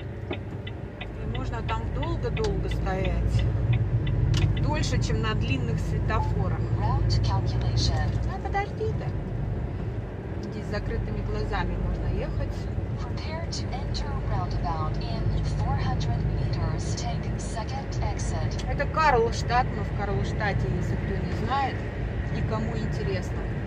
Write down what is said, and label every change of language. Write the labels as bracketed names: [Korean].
[Russian] И можно там долго-долго стоять. Дольше, чем на длинных светофорах. А подожди, да. Здесь с закрытыми глазами можно ехать. [English] Prepare to enter roundabout in 400 meters. Take second exit. [Russian] Это Карлштадт, но в Карлштадте, если кто не знает, и кому интересно.